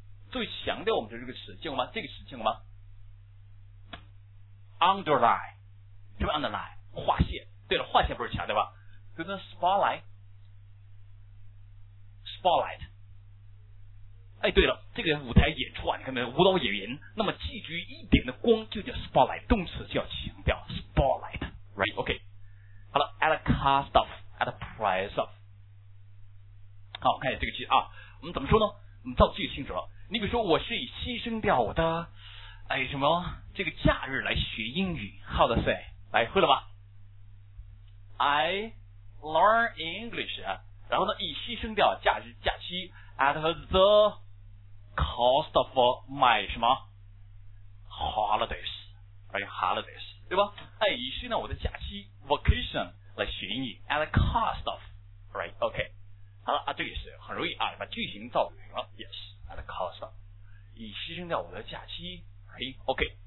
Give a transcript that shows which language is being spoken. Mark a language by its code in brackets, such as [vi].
[zh] 作为强调，我们的这个词见过吗？这个词见过吗 ？Underline， 什么 underline？ 划线。对了，划线不是强调吧？就是 spotlight， 哎，对了，这个舞台演出啊，你看没有，舞蹈演员，那么聚集一点的光就叫 spotlight， 动词就要强调 spotlight， [en] right？ [zh] OK， 好了， at a cost of， at a price of， 好，看一下这个句子啊，我们怎么说呢？我们造句清楚了，你比如说，我是以牺牲掉我的，哎，什么这个假日来学英语， [en] how to say？ [zh] 来，会了吧？ [en] I learn English， [zh] 然后呢以牺牲掉假日假期 [en] at the cost of my 什么 holidays， right？ [zh] holidays 对吧，哎，以牺牲我的假期 vacation 来学英语 at the cost of， right？ OK， 好了啊，这个也是很容易啊，把句型造明了， [en] yes， at the cost of， [zh] 以牺牲掉我的假期， right？ OK，